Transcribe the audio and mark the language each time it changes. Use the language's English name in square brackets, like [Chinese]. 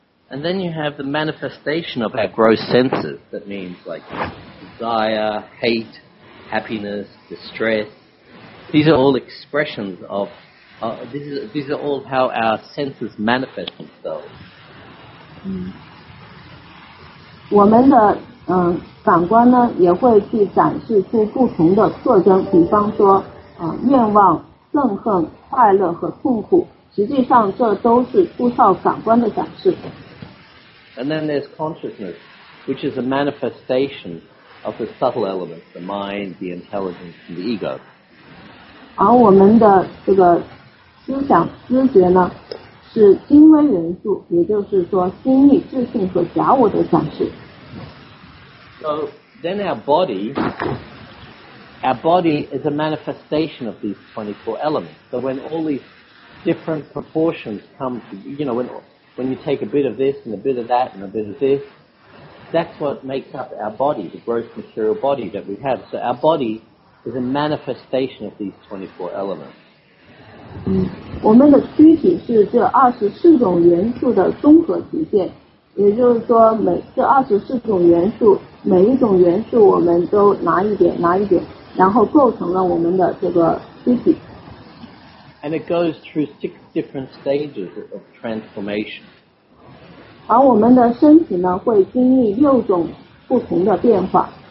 [English] And then you have the manifestation of our gross senses. That means like desire, hate, happiness, distress. These are all expressions of, these are all how our senses manifest themselves. [Chinese] 我们的感官呢也会去展示出不同的特征，比方说愿望、憎恨、快乐和痛苦，实际上这都是出窍感官的展示。 [English] And then there's consciousness, which is a manifestation of the subtle elements, the mind, the intelligence, and the ego. [Chinese] 而我们的这个思想知觉呢，是精微元素，也就是说心意、自性和假我的展示。 [English] So then our body is a manifestation of these 24 elements. So when all these different proportions come, when you take a bit of this and a bit of that and a bit of this, that's what makes up our body, the gross material body that we have. So our body. Is a manifestation of these 24 elements. [Chinese] 我们的躯体是这24种元素的综合体现，也就是说这24种元素，每一种元素我们都拿一点，然后构成了我们的这个躯体。 [English] And it goes through 6 different stages of transformation. [Chinese] 而我们的身体呢，会经历六种不同的变化。